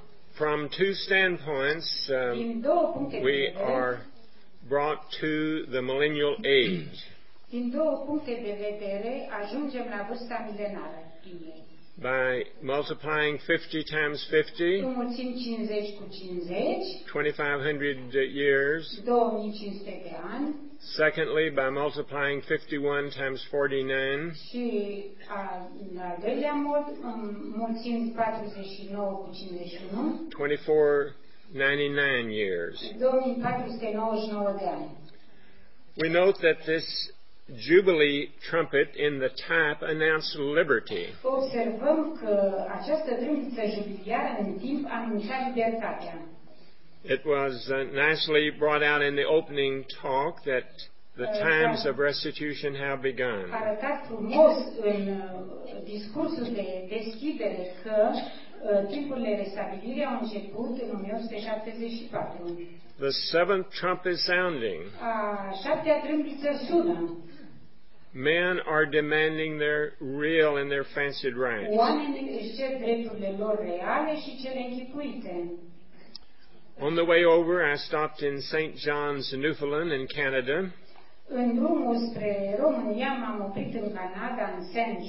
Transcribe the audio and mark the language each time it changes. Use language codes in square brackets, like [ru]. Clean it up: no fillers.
[en] From two standpoints, we are brought to the millennial age. [ro] Din două puncte de vedere, ajungem la vârsta milenară. [en] By multiplying 50 times 50, 2,500 years. [ro] 2,500 de ani. [en] Secondly, by multiplying 51 times 49. [ro] Și al doilea mod, mulțind 49 cu 51. [en] 2,499 years. [ro] 2,499 de ani. [en] We note that this jubilee trumpet in the tap announced liberty. [ro] Observăm că această trâmbiță jubiliară în timp anunța libertatea. [en] It was nicely brought out in the opening talk that the times of restitution have begun. [ro] Arătat frumos în discursul de deschidere că timpul de restabilire a început în 1874. [en] The seventh trump is sounding. [ro] A șaptea trâmbiță sună. [en] Men are demanding their real and their fancied rights. [ro] Oamenii își cer drepturile lor reale și cele închipuite. [en] On the way over, I stopped in St. John's, Newfoundland, in Canada. [ro] În drumul spre România, m-am oprit în Canada, în St.